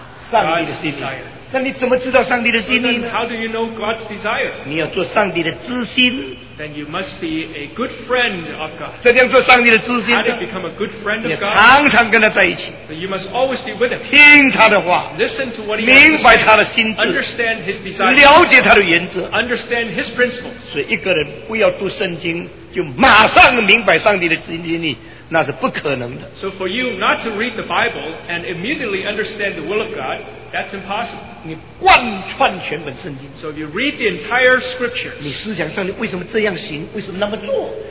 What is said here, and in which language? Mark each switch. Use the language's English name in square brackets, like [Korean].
[Chinese] 上帝的心意，那你怎么知道上帝的心意呢？ [English] So then how do you know God's desire? [Chinese] 你要做上帝的知心。 [English] Then you must be a good friend of God. [Chinese] 这样做上帝的知心。 [English] How to become a good friend of God? [Chinese] 你常常跟他在一起。 [English] So you must always be with him. [Chinese] 听他的话。 [English] Listen to what he [Chinese] 明白他的心智。 [English] Understand his desire. [Chinese] 了解他的原则。 [English] Understand his principles. [Chinese] 所以一个人不要读圣经，就马上明白上帝的心意。那是不可能的。 [English] So for you not to read the Bible and immediately understand the will of God, that's impossible. [Chinese] 你贯穿全本圣经。 [English] So if you read the entire scriptures, [Chinese] 你思想上帝为什么这样行，为什么那么做？